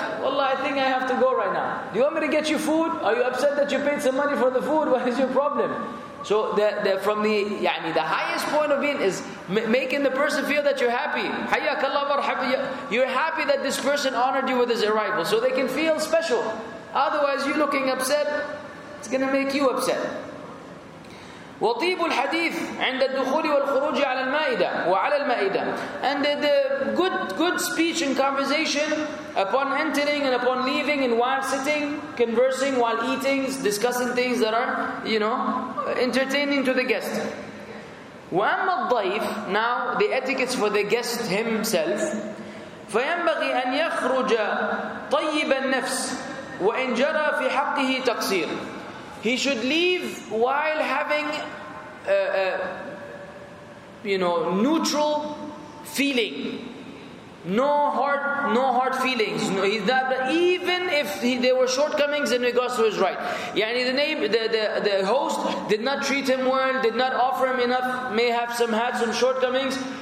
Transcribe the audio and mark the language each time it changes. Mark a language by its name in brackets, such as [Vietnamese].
[English] Wallah, I think I have to go right now. Do you want me to get you food? Are you upset that you paid some money for the food? What is your problem? So the highest point of being is making the person feel that you're happy. [Arabic] Hayyakallah marhaba. [English] You're happy that this person honored you with his arrival, so they can feel special. Otherwise, you looking upset, it's going to make you upset. [Arabic] وطيب الحديث عند الدخول والخروج على المائدة وعلى المائدة. [English] And the good speech and conversation upon entering and upon leaving and while sitting, conversing, while eating, discussing things that are, you know, entertaining to the guest. [Arabic] وأما الضيف, [English] now the etiquettes for the guest himself. [Arabic] فينبغي أن يخرج طيب النفس وإن جرى في حقه تقصير. [English] He should leave while having neutral feeling. No hard feelings. No, he's not, even if there were shortcomings in regards to his right. Yani the host did not treat him well, did not offer him enough, may have had some shortcomings.